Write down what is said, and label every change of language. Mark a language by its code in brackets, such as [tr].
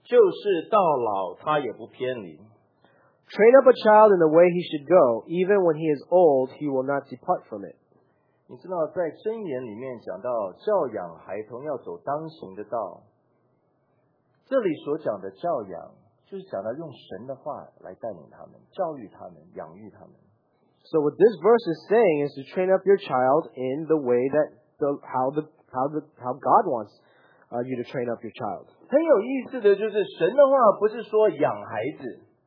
[zh] 说教养孩童使他走当行的道，就是到老他也不偏离。 [en] Train up a child in the way he should go, even when he is old, he will not depart from it. [zh] 你知道，在箴言里面讲到教养孩童要走当行的道，这里所讲的教养，就是讲到用神的话来带领他们，教育他们，养育他们。 [en] So what this verse is saying is to train up your child in the way that how God wants you to train up your child. [zh] 很有意思的就是神的话不是说养孩子。